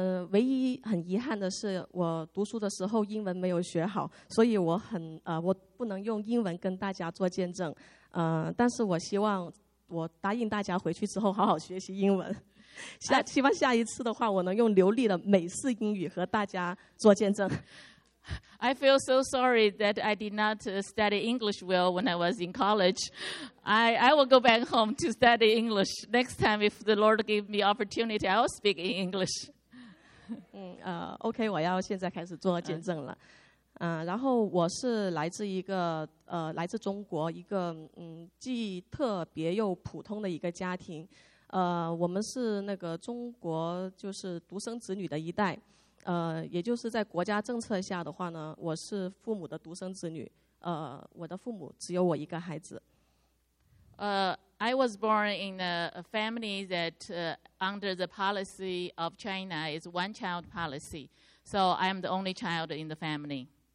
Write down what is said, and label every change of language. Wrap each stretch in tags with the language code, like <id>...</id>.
<zh>唯一很遗憾的是，我读书的时候英文没有学好，所以我很我不能用英文跟大家做见证。但是我希望。我答应大家回去之后好好学习英文。希望下一次的话，我能用流利的美式英语和大家做见证。</zh> <en>I feel so sorry that I did not study English well when I was in college. I will go back home to study English next time if the Lord give me opportunity. I will speak in English.</en> <zh>OK， 我要现在开始做见证了。然后我是来自一个来自中国一个既特别又普通的一个家庭，我们是那个中国就是独生子女的一代，也就是在国家政策下的话呢，我是父母的独生子女，我的父母只有我一个孩子。</zh> <en>I was born in a family that under the policy of China is one child policy, so I am the only child in the family.</en>